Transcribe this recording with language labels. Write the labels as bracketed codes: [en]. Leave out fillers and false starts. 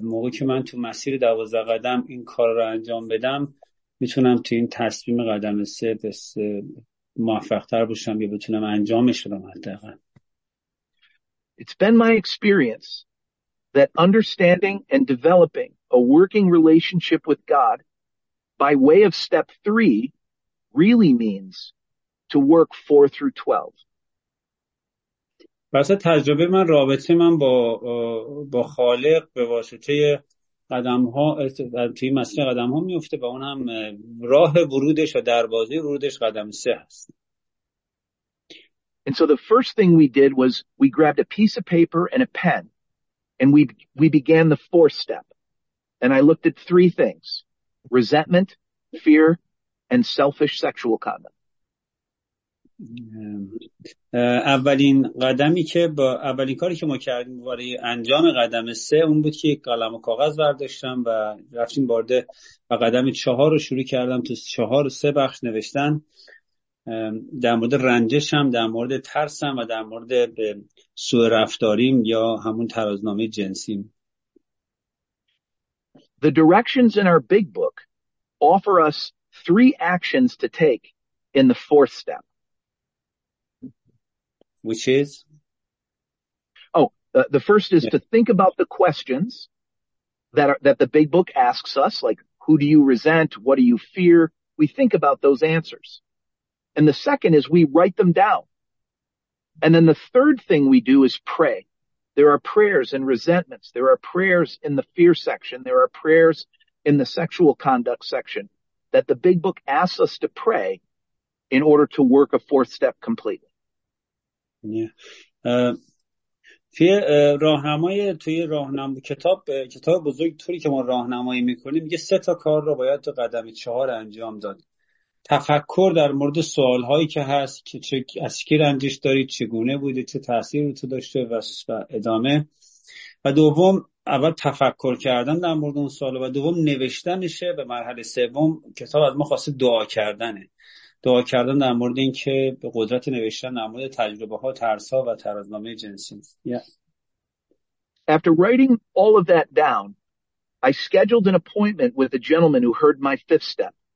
[fa] موقعی که من تو مسیر 12 قدم این کار رو انجام بدم، میتونم تو این تصمیم قدم 3 موفق‌تر باشم یا بتونم انجامش بدم حداقل. [en] It's been my experience that understanding and developing a working relationship with God by way of step 3 really means to work 4 through 12. [fa] واسه تجربه من، رابطه من با خالق به واسطه قدم‌ها توی مسیر قدم‌ها میفته و اون هم راه ورودش و دروازه ورودش قدم 3 است. [en] And so the first thing we did was we grabbed a piece of paper and a pen and we began the fourth step. And I looked at 3 things: resentment, fear, and selfish sexual conduct. [fa] اولین قدمی که با اولین کاری که ما کردیم برای انجام قدم 3 اون بود که قلم و کاغذ برداشتم و رفتیم وارد و قدم 4 رو شروع کردم. تو 4 و 3 بخش نوشتن در مورد رنجشم، در مورد ترسم و در مورد سوء رفتاریم یا همون ترازنامه جنسیم. [en] The directions in our big book offer us 3 actions to take in the fourth step. Which is? The first is to think about the questions that the big book asks us, like, who do you resent? What do you fear? We think about those answers. And the second is we write them down. And then the third thing we do is pray. There are prayers and resentments. There are prayers in the fear section. There are prayers in the sexual conduct section that the big book asks us to pray in order to work a fourth step completely. [fa] توی راهنمای توی راهنمای کتاب بزرگ طوری که ما راهنمایی میکنیم، یه 3 تا کار رو باید تو قدم 4 انجام داد. تفکر در مورد سوالهایی که هست، که چه از کی رنجش دارید، چگونه بوده، چه تأثیری رو تو داشته و ادامه. و دوم، اول تفکر کردن در مورد اون سوال و دوم نوشتنشه. به مرحله سوم کتاب از ما خواسته دعا کردنه. دعا کردن در مورد این که به قدرت نوشتن در مورد تجربه ها، ترس ها و ترازنامه جنسی. [en] After writing all of that down, I scheduled an appointment with a gentleman who heard my fifth step.